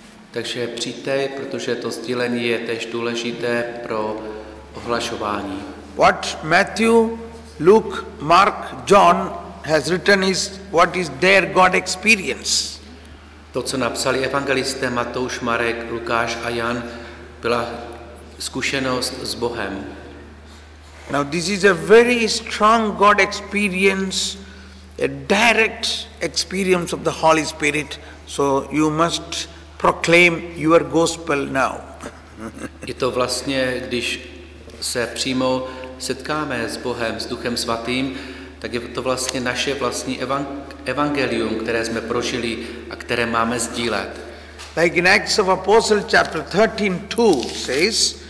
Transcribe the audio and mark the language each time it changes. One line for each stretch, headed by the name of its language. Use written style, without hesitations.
Czech: Takže přijďte, protože to sdílení je též důležité pro ohlašování.
English: What Matthew, Luke, Mark, John has written is what is their God experience.
Czech: To, co napsali evangelisté Matouš, Marek, Lukáš a Jan, byla zkušenost s Bohem.
English: Now this is a very strong God experience, a direct experience of the Holy Spirit, so you must proclaim your gospel now.
Czech: Je to vlastně, když se přímo setkáme s Bohem, s Duchem Svatým, tak je to vlastně naše vlastní evangelium, které jsme prožili a které máme sdílet.
English: Like in Acts of Apostles chapter 13:2 says,